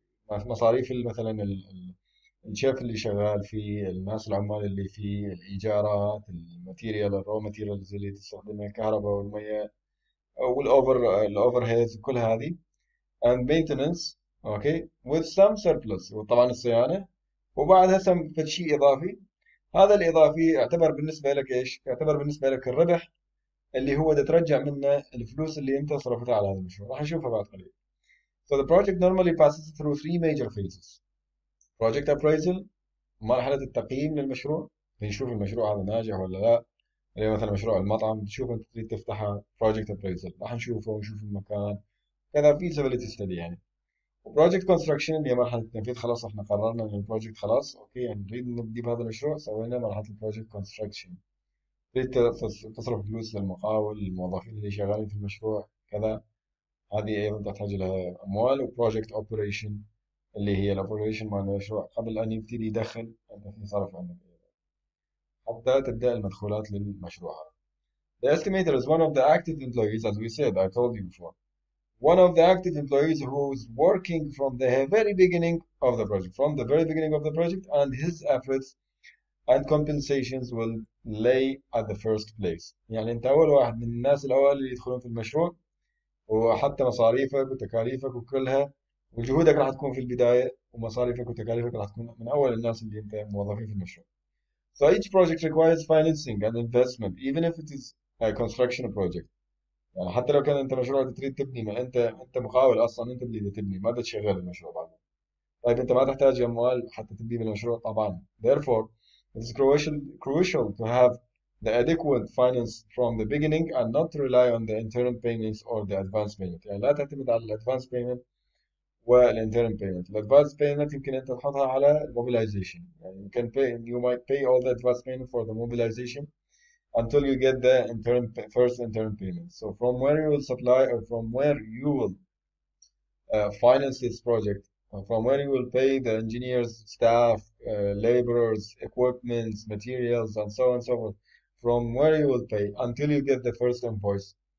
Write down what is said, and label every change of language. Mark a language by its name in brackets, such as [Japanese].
[Arabic] مصاريف مثلا الشيف اللي شغال فيه، الناس العمال اللي فيه، الايجارات، الماتيريال، الرو ماتيريالز اللي تستخدمها، الكهرباء والمياه الاوفر هيدز، كل هذه [English] and maintenance okay with some surplus, [Arabic] وطبعا الصيانة، وبعدها سم شيء اضافي. هذا الاضافي يعتبر بالنسبه لك ايش؟ يعتبر بالنسبه لك الربح اللي هو ده ترجع منه الفلوس اللي انت صرفتها على هذا المشروع، راح نشوفها بعد قليل. [English] So the project normally passes through three major phases. [Arabic] Project appraisal، مرحلة التقييم للمشروع، بنشوف المشروع هذا ناجح ولا لا، اللي مثلا مشروع المطعم تشوف انت تريد تفتحه، project appraisal راح نشوفه ونشوف المكان كذا، feasibility study يعني. بروجكت كونستراكشن اللي هي مرحلة التنفيذ، خلاص احنا قررنا ان البروجكت خلاص اوكي نريد نبدي بهذا المشروع، سوينا مرحلة البروجكت كونستراكشن، تريد تصرف فلوس للمقاول، الموظفين اللي شغالين في المشروع كذا، هذه ايضا تحتاج لها اموال. وبروجكت اوبريشن اللي هي الاوبريشن مال المشروع قبل ان يبتدي يدخل يصرف عنك حتى تبدا المدخولات للمشروع. [English] The estimator is one of the active employees as we said, I told you before. One of the active employees who is working from the very beginning of the project, from the very beginning of the project, and his efforts and compensations will lay at the first place. [Arabic] يعني انت اول واحد من الناس الاول اللي يدخلون في المشروع، وحتى مصاريفك وتكاليفك وكلها وجهودك راح تكون في البداية، ومصاريفك وتكاليفك راح تكون من اول الناس اللي انت موظفين في المشروع. [English] So each project requires financing and investment, even if it is a construction project. [Arabic] يعني حتى لو كان انت مشروع تريد تبني، ما انت مقاول اصلا، انت اللي تبني، ما بتشغل المشروع بعدين. طيب انت ما تحتاج اموال حتى تبني بالمشروع طبعا. [English] Therefore, it is crucial to have the adequate finance from the beginning and not to rely on the interim payments or the advance payment. [Arabic] يعني لا تعتمد على الادفانس بايمنت والانترنت بايمنت. الادفانس بايمنت يمكن انت تحطها على الموبيلايزيشن، يعني [English] you can pay, you might pay all the advance payment for the mobilization until you get the interim, first interim payment. So from where you will supply or from where you will finance this project, or from where you will pay the engineers, staff, laborers, equipment, materials, and so on and so forth, from where you will pay until you get the first invoice.